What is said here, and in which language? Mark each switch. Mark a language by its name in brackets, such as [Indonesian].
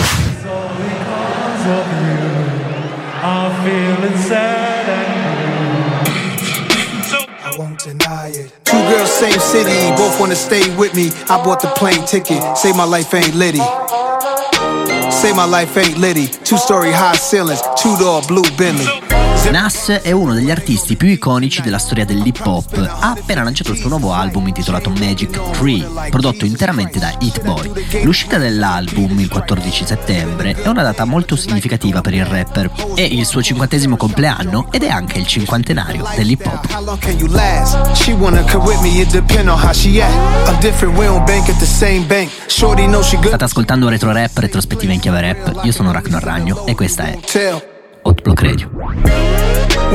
[English] It's all because of you. I'm feeling sad and blue. I won't deny it. Two girls, same city. Both wanna stay with me. I bought the plane ticket. Say my life ain't litty. Say my life ain't litty. Two-story high ceilings. Two-door blue Bentley. [Italian] Nas è uno degli artisti più iconici della storia dell'hip hop. Ha appena lanciato il suo nuovo album intitolato Magic 3, prodotto interamente da Hit-Boy. L'uscita dell'album il 14 settembre è una data molto significativa per il rapper. È il suo 50° compleanno ed è anche il 50° dell'hip hop. [English] She wanna come with me, it depend on how she act. A different way on bank at the same bank. Shorty know she good. [Italian] State ascoltando Retro Rap, retrospettiva in chiave rap. Io sono Ragnar Ragno e questa è Hot Block Radio.